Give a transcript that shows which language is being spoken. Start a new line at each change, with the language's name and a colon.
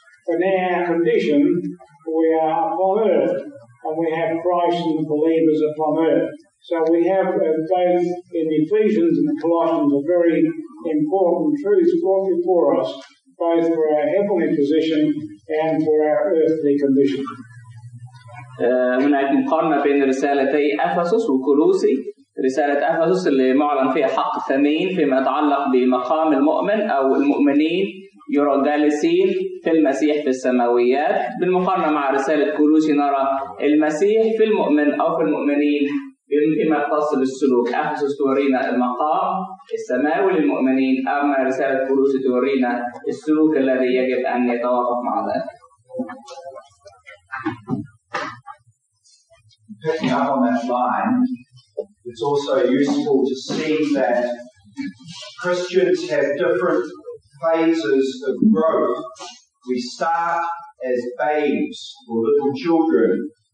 English: But in our condition, we are upon earth, and we have Christ and the believers upon earth. So we have both in the Ephesians and the Colossians a very important truth brought before us, both for our heavenly position and for our earthly condition.
Arabic: من أجل مقارنة بين رسالتي أفسس وكولوسي، رسالة أفسس اللي معلن فيها حق ثمين فيما يتعلق بمقام المؤمن أو المؤمنين يرجالسين في المسيح في السماويات، بالمقارنة مع رسالة كولوسي نرى المسيح في المؤمن أو في المؤمنين فيما يختص بالسلوك. أفسس تورينا المقام السماوي للمؤمنين، أما رسالة كولوسي تورينا السلوك الذي يجب أن يتوافق مع ذلك.
English: Picking up on that line, it's also useful to see that Christians have different phases of growth. We start as babes or little children.